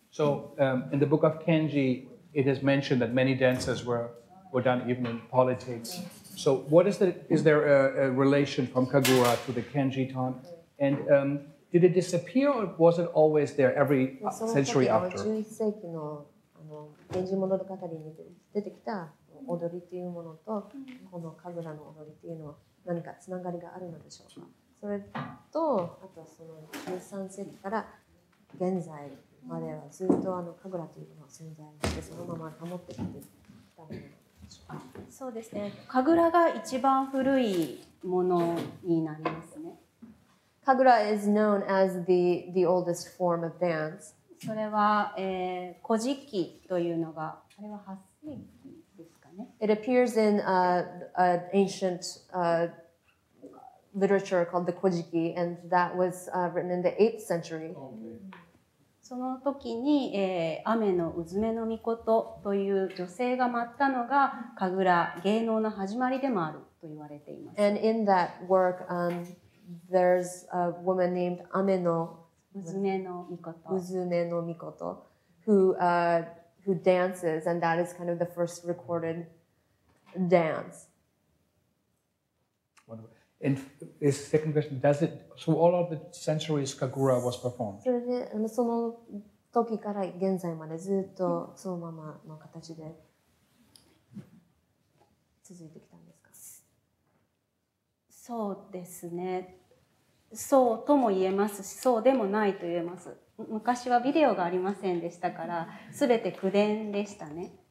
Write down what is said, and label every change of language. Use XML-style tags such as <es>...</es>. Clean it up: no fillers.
<en>So in the book of Kenji, it is mentioned that many dances were done even in politics. So what is there a relation from Kagura to the Kenji time? And did it disappear, or was it always there every century after?</en> <ja>その時の11世紀の、源氏物語に出てきた踊りというものと、この Kagura の踊りというのは、何かつながりがあるのでしょうか。それとあとその13世紀から現在まではずっとカグラというものが存在してそのまま保ってきていたものでしょうか。そうですね。カグラが一番古いものになりますね。</ja> <en>カグラ is known as the oldest form of dance。</en> <ja>それは、古事記というのがあれは8世紀。</ja> <en>It appears in an ancient literature called the Kojiki, and that was written in the 8th century.</en> <ja>その時に、雨のうずめの御事という女性が舞ったのが神楽芸能の始まりでもあると言われています。</ja> <en>And in that work, there's a woman named 雨の</en> <ja>うずめの御事。</ja> <en>うずめの御事 who dances, and that is kind of the first recorded dance. And his second question, so all of the centuries Kagura was performed?</en> <ja>それで、その時から現在までずっとそのままの形で続いてきたんですか？そうですね。そうとも言えますし、そうでもないと言えます。昔はビデオがありませんでしたから、すべて口伝でしたね。</ja>